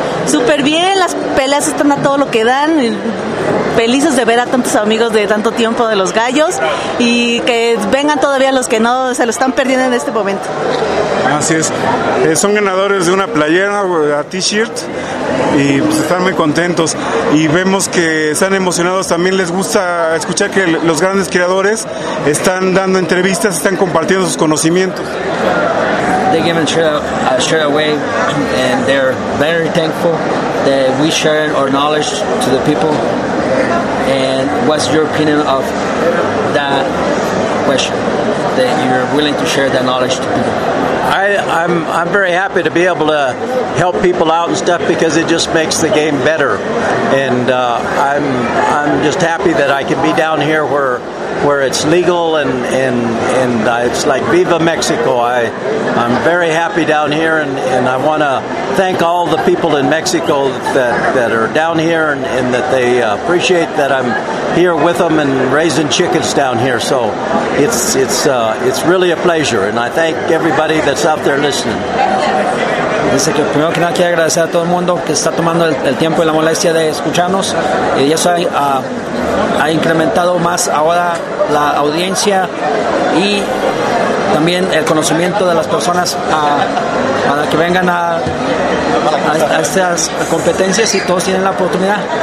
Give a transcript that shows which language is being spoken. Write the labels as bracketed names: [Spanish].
[Spanish] Súper bien, las peleas están a todo lo que dan. Felices de ver a tantos amigos de tanto tiempo de los gallos, y que vengan todavía los que no se lo están perdiendo en este momento. Así es, son ganadores de una playera, [English] a t-shirt, [Spanish] y pues están muy contentos, y vemos que están emocionados. También les gusta escuchar que los grandes creadores están dando entrevistas, están compartiendo sus conocimientos. [English] They give straight away, and they're very thankful that we share our knowledge to the people. And what's your opinion of that question, that you're willing to share that knowledge to people? I'm very happy to be able to help people out and stuff, because it just makes the game better. And I'm just happy that I can be down here where it's legal, and it's like Viva Mexico. I'm very happy down here, and I want to thank all the people in Mexico that are down here, and that they appreciate that I'm here with them and raising chickens down here. So it's really a pleasure, and I thank everybody that's out there listening. [Spanish] Dice que primero que nada quiero agradecer a todo el mundo que está tomando el tiempo y la molestia de escucharnos, y eso ha incrementado más ahora la audiencia y también el conocimiento de las personas para que vengan a estas competencias, y todos tienen la oportunidad.